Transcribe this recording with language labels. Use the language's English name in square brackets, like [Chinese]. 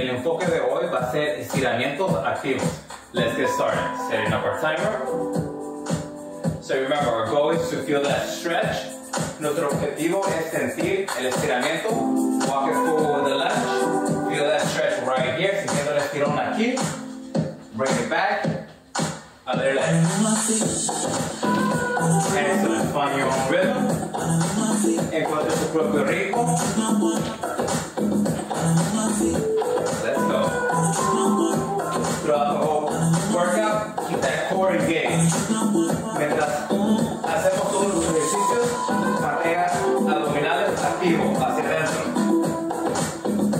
[Spanish] El enfoque de hoy va a ser estiramientos activos. [English] Let's get started. Setting up our timer. So remember, our goal is to feel that stretch. [Spanish] Nuestro objetivo es sentir el estiramiento. [English] Walk it forward with the lunge. Feel that stretch right here. [Spanish] Sintiendo el estirón aquí. [English] Bring it back. Other leg. Excellent. Find your own rhythm. [Spanish] Encuentra su propio ritmo. [English] Let's go. Throughout the whole workout, keep that core engaged. [Spanish] Mientras hacemos todos los ejercicios, mantenga abdominales activo hacia adentro.